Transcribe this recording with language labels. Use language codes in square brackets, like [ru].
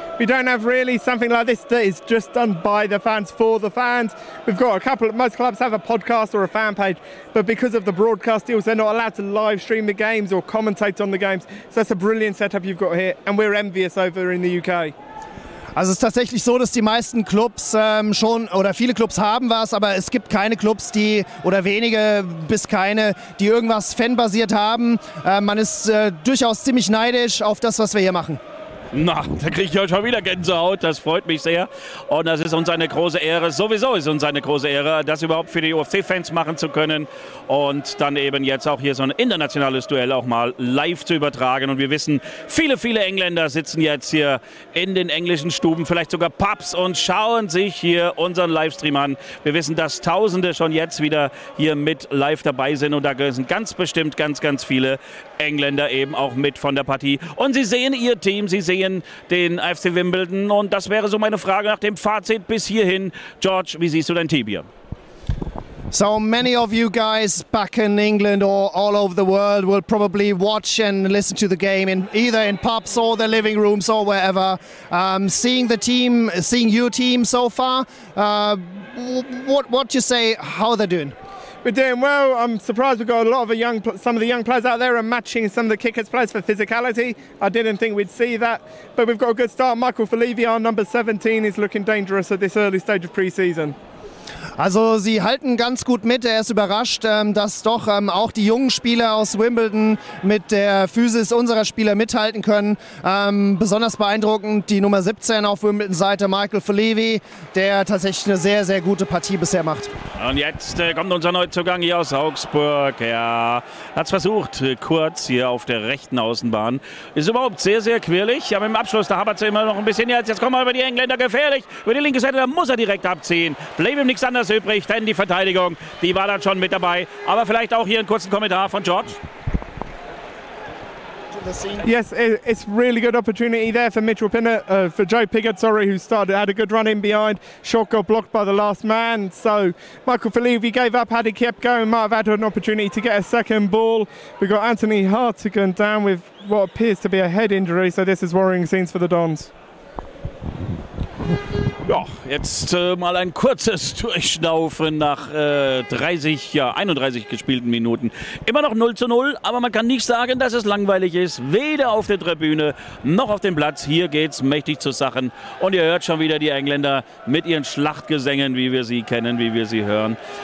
[en] We don't have really something like this that is just done by the fans, for the fans. We've got a couple, most clubs have a podcast or a fan page, but because of the broadcast deals, they're not allowed to live stream the games or commentate on the games. So that's a brilliant setup you've got here, and we're envious over in the UK. [de] Also es ist tatsächlich so, dass die meisten Clubs schon, oder viele Clubs haben was, aber es gibt keine Clubs, die, oder wenige bis keine, die irgendwas fanbasiert haben. Man ist durchaus ziemlich neidisch auf das, was wir hier machen. Na, da kriege ich ja schon wieder Gänsehaut, das freut mich sehr. Und das ist uns eine große Ehre, sowieso ist uns eine große Ehre, das überhaupt für die UFC-Fans machen zu können. Und dann eben jetzt auch hier so ein internationales Duell auch mal live zu übertragen. Und wir wissen, viele, viele Engländer sitzen jetzt hier in den englischen Stuben, vielleicht sogar Pubs, und schauen sich hier unseren Livestream an. Wir wissen, dass Tausende schon jetzt wieder hier mit live dabei sind. Und da sind ganz bestimmt ganz, ganz viele Engländer eben auch mit von der Partie. Und sie sehen ihr Team, sie sehen den AFC Wimbledon. Und das wäre so meine Frage nach dem Fazit bis hierhin. George, wie siehst du dein Team hier? [en] So many of you guys back in England or all over the world will probably watch and listen to the game in either in pubs or their living rooms or wherever. Seeing the team, seeing your team so far, what do you say, how they're doing? We're doing well. I'm surprised we've got a lot of some of the young players out there are matching some of the Kickers players for physicality. I didn't think we'd see that, but we've got a good start. Michael Falivia, number 17, is looking dangerous at this early stage of pre-season. [de] Also sie halten ganz gut mit, er ist überrascht, dass doch auch die jungen Spieler aus Wimbledon mit der Physis unserer Spieler mithalten können. Besonders beeindruckend die Nummer 17 auf Wimbledon-Seite, Michael Falivia, der tatsächlich eine sehr, sehr gute Partie bisher macht. Und jetzt kommt unser Neuzugang hier aus Augsburg. Er hat es versucht, kurz hier auf der rechten Außenbahn. Ist überhaupt sehr, sehr quirlig. Ja, mit dem Abschluss, da hapert es immer noch ein bisschen. Jetzt kommen wir über die Engländer, gefährlich. Über die linke Seite, da muss er direkt abziehen. Bleib ihm nichts anderes übrig, denn die Verteidigung, die war dann schon mit dabei. Aber vielleicht auch hier einen kurzen Kommentar von George. [en] Yes, it's really good opportunity there for Mitchell Pinnock, for Joe Piggott, sorry, who started, had a good run in behind, shot got blocked by the last man, so Michael Falivia gave up, had he kept going, might have had an opportunity to get a second ball. We got Anthony Hartigan down with what appears to be a head injury, so this is worrying scenes for the Dons. [de] Ja, jetzt mal ein kurzes Durchschnaufen nach 31 gespielten Minuten. Immer noch 0-0, aber man kann nicht sagen, dass es langweilig ist. Weder auf der Tribüne noch auf dem Platz. Hier geht's mächtig zu Sachen. Und ihr hört schon wieder die Engländer mit ihren Schlachtgesängen, wie wir sie kennen, wie wir sie hören.